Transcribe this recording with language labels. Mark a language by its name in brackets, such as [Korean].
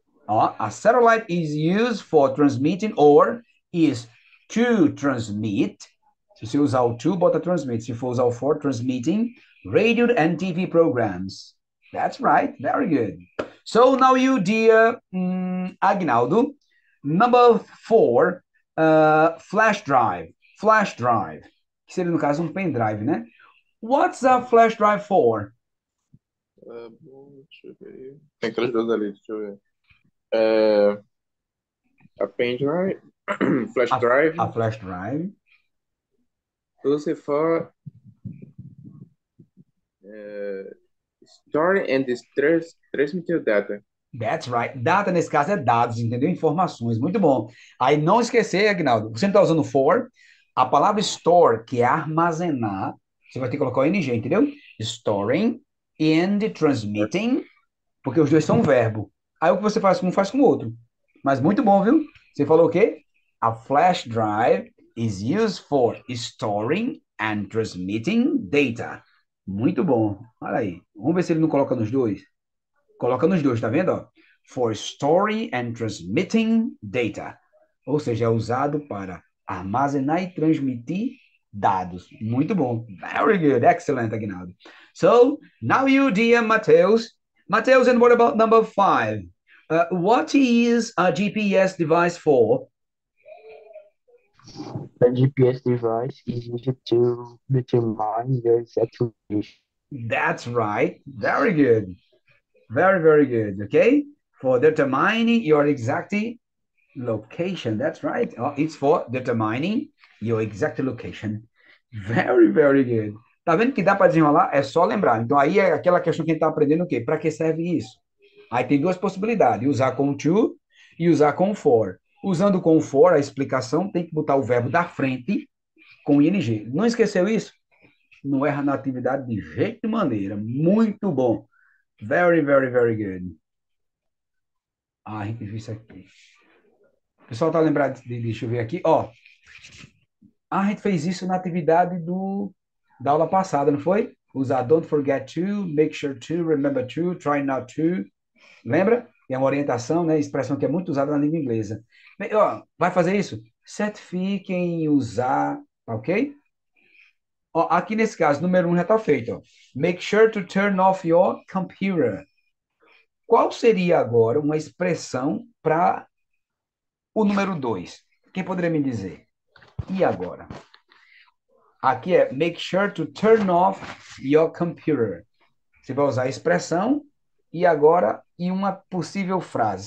[English] A satellite is used for transmitting or is to transmit. [Portuguese] Se você usar o to, bota transmit. Se for usar o for, [English] transmitting radio and TV programs. That's right. Very good. So now you, dear Agnaldo, number four, flash drive. Flash drive. [Portuguese] Que seria, no caso, um pendrive, né? [English] What's a flash drive for? [Portuguese] Bom, deixa eu ver. Tem aquelas duas ali, deixa eu ver. [English] A pendrive. Flash drive. A flash drive. Use for store and transmit data. That's right. [Portuguese] Data, nesse caso, é dados, entendeu? Informações. Muito bom. Aí, não esquecer, Agnaldo, você não está usando for. A palavra store, que é armazenar, você vai ter que colocar o ing, entendeu? [English] Storing and transmitting, [Portuguese] porque os dois são verbo. Aí o que você faz com um, faz com o outro. Mas muito bom, viu? Você falou o quê? [English] A flash drive is used for storing and transmitting data. [Portuguese] Muito bom. Olha aí. Vamos ver se ele não coloca nos dois. Coloca nos dois, tá vendo? Ó? [English] For storing and transmitting data. [Portuguese] Ou seja, é usado para armazenar e transmitir dados. Muito bom. [English] Very good. Excellent, Aguinaldo. So, now you, dear Matheus. Matheus, and what about number five? What is a GPS device for? A GPS device is used to determine the exact location. That's right. Very good. Very, very good. Okay? For determining your exact location. That's right. Oh, it's for determining your exact location. Very, very good. [Portuguese] Tá vendo que dá para desenrolar? É só lembrar. Então, aí é aquela questão que a gente tá aprendendo o quê? Para que serve isso? Aí tem duas possibilidades. Usar com o to e usar com o for. Usando com o for, a explicação tem que botar o verbo da frente com ing. Não esqueceu isso? Não erra na atividade de jeito e maneira. Muito bom. [English] Very, very, very good. [Portuguese] Ah, a gente viu isso aqui. O pessoal está lembrado de, deixa eu ver aqui. Ó, a gente fez isso na atividade da aula passada, não foi? [English] Usar don't forget to, make sure to, remember to, try not to. [Portuguese] Lembra? É uma orientação, né? Expressão que é muito usada na língua inglesa. Bem, ó, vai fazer isso? Certifique em usar, ok? Ó, aqui nesse caso, número 1 já está feito. Ó. [English] Make sure to turn off your computer. [Portuguese] Qual seria agora uma expressão para o número 2? Quem poderia me dizer? E agora? Aqui é [English] make sure to turn off your computer. [Portuguese] Você vai usar a expressão e agora e uma possível frase.